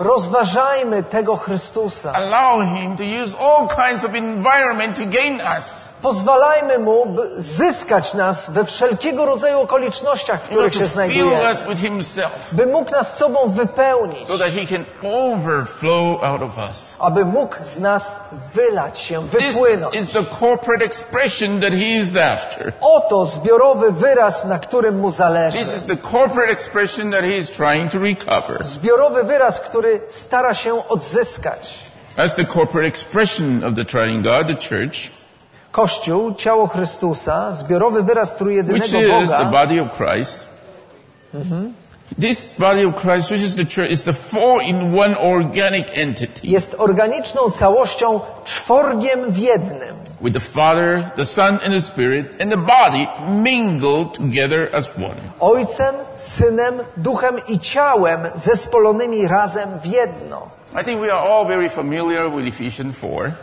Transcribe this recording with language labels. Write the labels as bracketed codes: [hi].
[pl] Rozważajmy tego Chrystusa. [en] Allow Him to use all kinds of environment to gain us. [pl] Pozwalajmy Mu zyskać nas we wszelkiego rodzaju okolicznościach, w których się znajdujemy. [en] Fill us with Himself. [pl] By mógł nas sobą wypełnić. [en] So that He can overflow out of us. [pl] Aby mógł z nas wylać się, wypłynąć. [en] This is the corporate expression that He is after. [pl] Oto zbiorowy wyraz, na którym Mu zależy. [en] This is the corporate expression that He is trying to recover. [pl] Zbiorowy wyraz, który stara się odzyskać. [en] That's the corporate expression of the triune God, the church. [pl] Kościół, ciało Chrystusa, zbiorowy wyraz trójjedynego [en] which [pl] Boga. [en] Is the body of Christ. Mm-hmm. This body of Christ, which is the church, is the four in one organic entity. [pl] Jest organiczną całością, czworgiem w jednym. [en] With the Father, the Son and the Spirit and the body mingled together as one. [pl] Ojcem, Synem, Duchem i ciałem zespolonymi razem w jedno. [en] I think we are all very familiar with Ephesians 4.